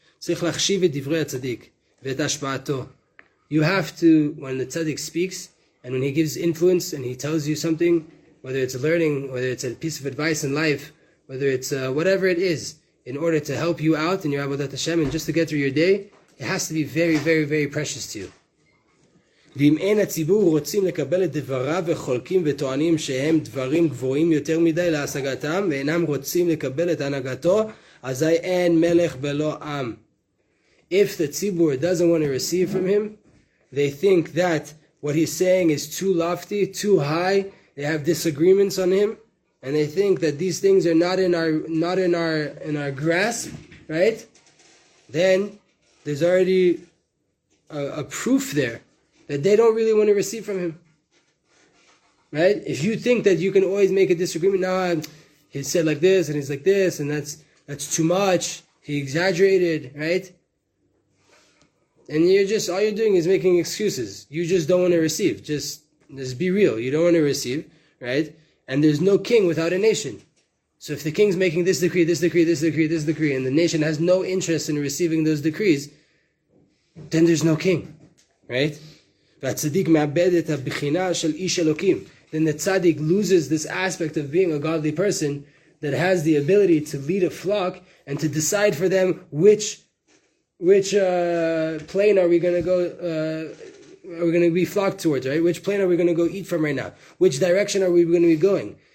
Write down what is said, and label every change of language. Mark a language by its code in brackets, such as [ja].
[he] Tzrich lachshiv et divrei tzaddik ve'et hashpa'ato. [en] You have to, when the tzaddik speaks and when he gives influence and he tells you something, whether it's learning, whether it's a piece of advice in life, whether it's whatever it is, in order to help you out in your avodat Hashem and just to get through your day, it has to be very, very, very precious to you. [he] ואם אין הציבור רוצים לקבל את דבריו וחולקים וטוענים שהם דברים גבוהים יותר מדי להשגתם ואינם רוצים לקבל את הנהגתו, אזי אין מלך ולא עם. [en] If the ציבור doesn't want to receive from him, they think that what he's saying is too lofty, too high, they have disagreements on him, and they think that these things are not in our grasp, right? Then there's already a proof there that they don't really want to receive from him. Right? If you think that you can always make a disagreement, no, he said like this, and he's like this, and that's too much, he exaggerated, right? And all you're doing is making excuses. You just don't want to receive. Just be real. You don't want to receive, right? And there's no king without a nation. So if the king's making this decree, this decree, this decree, this decree, and the nation has no interest in receiving those decrees, then there's no king, right? [he] והצדיק מאבד את הבחינה של איש אלוקים. [en] Then the tzaddik loses this aspect of being a godly person that has the ability to lead a flock and to decide for them which plane are we going to go, are we going to be flocked towards, right? Which plane are we going to go eat from right now? Which direction are we going to be going?